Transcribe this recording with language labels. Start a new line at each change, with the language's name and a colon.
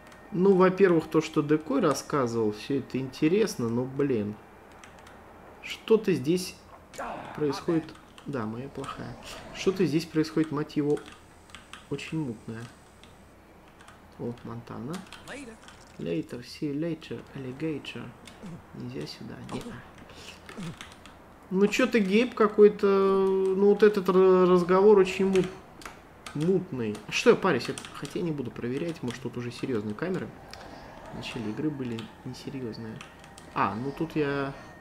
Russian: Ну, во-первых, то, что Декой рассказывал, все это интересно, но, блин. Что-то здесь происходит... Да, моя плохая. Что-то здесь происходит, мать его... Очень мутная. О, Монтана.
English: Later, see later, alligator.
Russian: Нельзя сюда. Нет. Ну, что-то Гейб какой-то... Ну, вот этот разговор очень мутный. Что я парюсь? Хотя я не буду проверять. Может, тут уже серьезные камеры. Вначале игры были несерьезные. А, ну тут я...